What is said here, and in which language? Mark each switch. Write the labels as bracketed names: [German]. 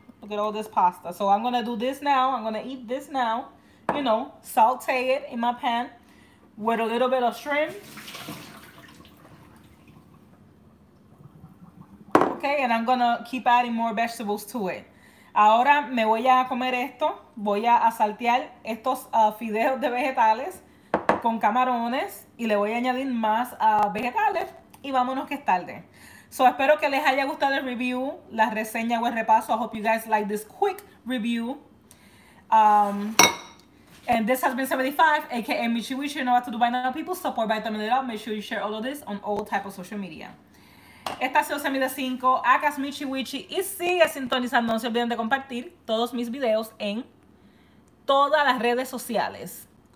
[English] Look at all this pasta. So I'm going to do this now. I'm going to eat this now. You know, saute it in my pan. With a little bit of shrimp. Okay, and I'm gonna keep adding more vegetables to it. [Spanish] Ahora me voy a comer esto. Voy a saltear estos fideos de vegetales con camarones. Y le voy a añadir más vegetales. Y vámonos que es tarde. So, espero que les haya gustado el review. La reseña o el repaso. [English] I hope you guys like this quick review. And this has been 75, a.k.a. Michi Wichi. You know what to do by now, people. Support by thumbing it up. Make sure you share all of this on all types of social media. [Spanish] Esta ha sido Semida 5, acá es Michi Wichi. Y sigue sintonizando. No se olviden de compartir todos mis videos en todas las redes sociales.